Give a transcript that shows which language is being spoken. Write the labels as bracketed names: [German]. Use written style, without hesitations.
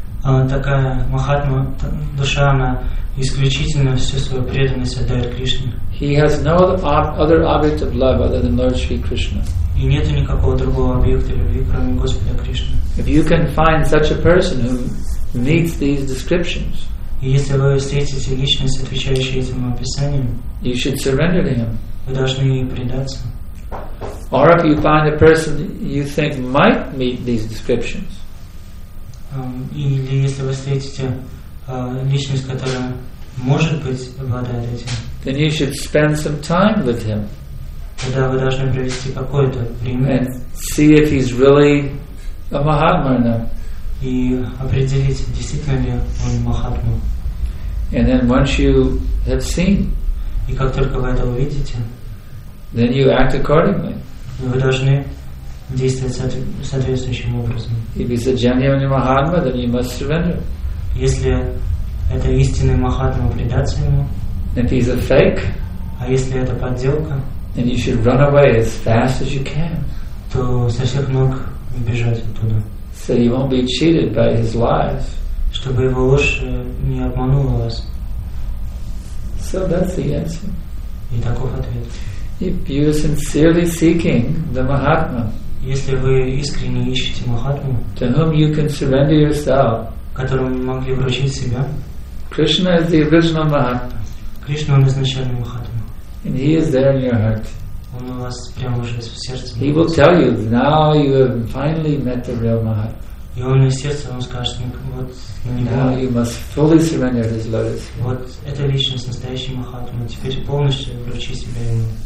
[Russian] Такая Махатма, душа, она исключительно всю свою преданность отдает Кришне. [English] He has no other object of love other than Lord Sri Krishna. [Russian] И нет никакого другого объекта любви, кроме Господа Кришны. [English] If you can find such a person who meets these descriptions, [Russian] и если вы встретите личность, отвечающую этим описаниям, [English] you should surrender to him. [Russian] Вы должны ей предаться. [English] Or if you find a person you think might meet these descriptions, [Russian] или если вы встретите личность, которая может быть обладает этим, [English] then you should spend some time with him. [Russian] Тогда вы должны провести какое-то время. [English] And see if he's really a Mahatma or not. [Russian] И определить, действительно ли он Махатма. [English] And then once you have seen, [Russian] и как только вы это увидите, [English] then you act accordingly. [Russian] Вы должны действовать соответствующим образом. [English] If he's a genuine Mahatma, then you must surrender. [Russian] Если это истинный Махатма, предаться ему. [English] If he's a fake, [Russian] а если это подделка, [English] then you should run away as fast as you can. [Russian] То со всех ног убежать оттуда. [English] So you won't be cheated by his lies. [Russian] Чтобы его ложь не обманула вас. [English] So that's the answer. [Russian] И таков ответ. [English] If you are sincerely seeking the Mahatma, [Russian] если вы искренне ищете Махатму, [English] to whom you can surrender yourself, [Russian] которому могли вручить себя, [English] Krishna is the original Mahatma. [Russian] Кришна он изначальный Махатма. [English] And he is there in your heart. [Russian] Он у вас прямо уже в сердце. [English] He will tell you, now you have finally met the real Mahatma. [Russian] И он из сердца вам скажет, вот [English] now you must fully surrender his lotus. [Russian] Вот эта личность настоящий Махатма. Теперь полностью вручи себя ему.